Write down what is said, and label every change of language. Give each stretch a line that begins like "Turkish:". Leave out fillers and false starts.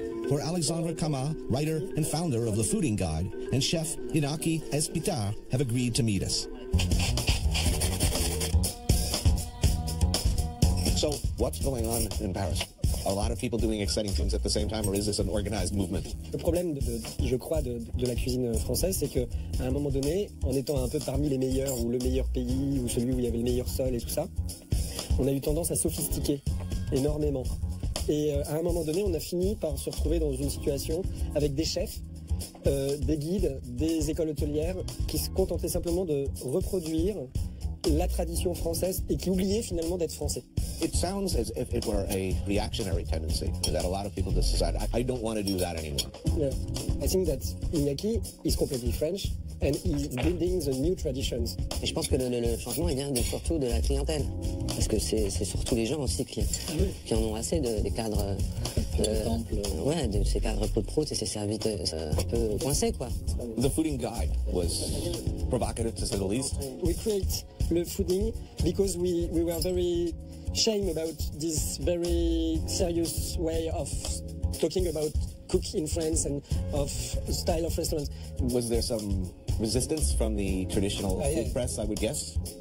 English: Where Alexandre Camat, writer and founder of Le Fooding Guide, and chef Inaki Espitar have agreed to meet us. So, what's going on in Paris? A lot of people doing exciting things at the same time, or is this an organized movement?
French: Le problème, je crois, de la cuisine française, c'est qu'à un moment donné, en étant un peu parmi les meilleurs, ou le meilleur pays, ou celui où il y avait le meilleur sol et tout ça, on a eu tendance à sophistiquer énormément. Et à un moment donné, on a fini par se retrouver dans une situation avec des chefs, des guides, des écoles hôtelières qui se contentaient simplement de reproduire la tradition française et qui oubliaient finalement d'être français.
English: It sounds as if it were a reactionary tendency that a lot of people just decide, I don't want to do that anymore. Yeah. I think that Inaki is completely French and he's building the new traditions.
French: Et je pense que le changement il vient surtout de la clientèle. Parce que c'est surtout les gens aussi qui en ont assez des cadres. Ouais, de ces cadres prout-prout et ces serviteurs un peu coincés, quoi.
English: The Fooding Guide was provocative to say the least. We create Le Fooding because we were very shame about this very serious way of talking about cooking in France and of style of restaurants. Was there some resistance from the traditional food press, I would guess?